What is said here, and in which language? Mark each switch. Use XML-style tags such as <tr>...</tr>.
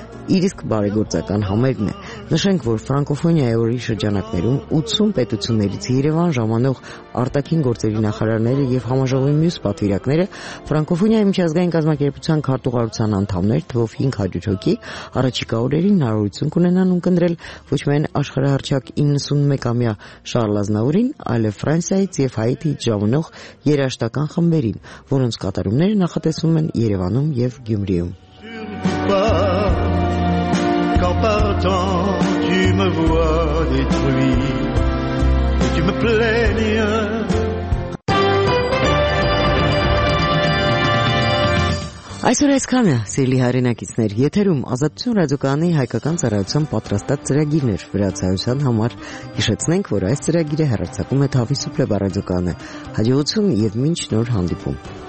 <hy>իրիսկ բարեգործական համերգն է։ Նշենք, որ ֆրանկոֆոնիայի օրի շրջանակներում 80 պետություններից Երևան ժամանող արտաքին գործերի նախարարները և համաժողովի մյուս պատվիրակները, ֆրանկոֆոնիայի միջազգային կազմակերպության քարտուղարության անդամներ, թվով 500 հոգի, առաջիկա օրերին հնարավորություն կունենան ունկնդրել ոչ միայն աշխարհահռչակ 91-ամյա Շարլ Ազնավուրին, այլև Ֆրանսիայից և Հայիթիից ժամանող երաժշտական խմբերին, որոնց կատարումները նախատեսվում են Երևանում և Գյումրիում։</hy> <fr>Quand partant tu me vois détruit et tu me plaignes.</fr> <hy>Այսօր այսքանը, սիրելի հայրենակիցներ, եթերում Ազատություն ռադիոկանալի հայկական ծառայության պատրաստած ծրագիրն էր վերացայության համար, հիշեցնենք, որ այս ծրագիրը հեռարձակում է Թավիս ու Պլեբա ռադիոկանալը, հաջողություն և մինչ նոր հանդիպում։</hy>